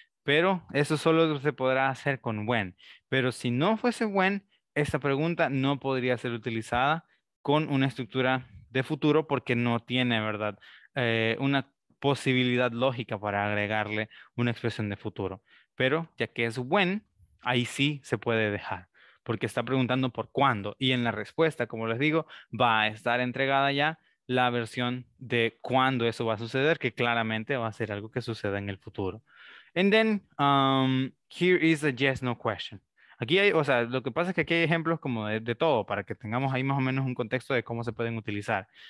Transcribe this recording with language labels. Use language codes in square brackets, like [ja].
[es] Pero eso solo se podrá hacer con when. Pero si no fuese when, esta pregunta no podría ser utilizada con una estructura de futuro porque no tiene, ¿verdad?, una posibilidad lógica para agregarle una expresión de futuro. Pero ya que es when, ahí sí se puede dejar. Porque está preguntando por cuándo. Y en la respuesta, como les digo, va a estar entregada ya la versión de cuándo eso va a suceder, que claramente va a ser algo que suceda en el futuro. [en] And then, here is a yes, no question. [es] Aquí hay, o sea, lo que pasa es que aquí hay ejemplos como de todo, para que tengamos ahí más o menos un contexto de cómo se pueden utilizar.